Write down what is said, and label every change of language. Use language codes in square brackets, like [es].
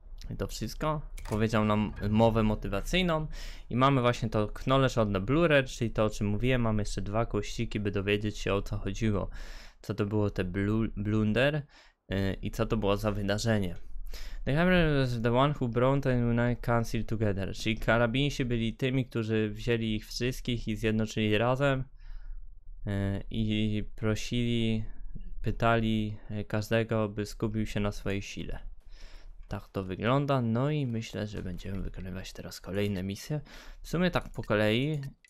[pl] I to wszystko? Powiedział nam mowę motywacyjną. I mamy właśnie to Knowledge on the Blurred, czyli to, o czym mówiłem. Mamy jeszcze dwa kościki, by dowiedzieć się, o co chodziło. Co to było te blunder i co to było za wydarzenie. [en] The Hammer was the one who brought the United Council together. [pl] Czyli karabinsi byli tymi, którzy wzięli ich wszystkich i zjednoczyli razem. I prosili, pytali każdego, by skupił się na swojej sile. Tak to wygląda. No i myślę, że będziemy wykonywać teraz kolejne misje. W sumie tak po kolei.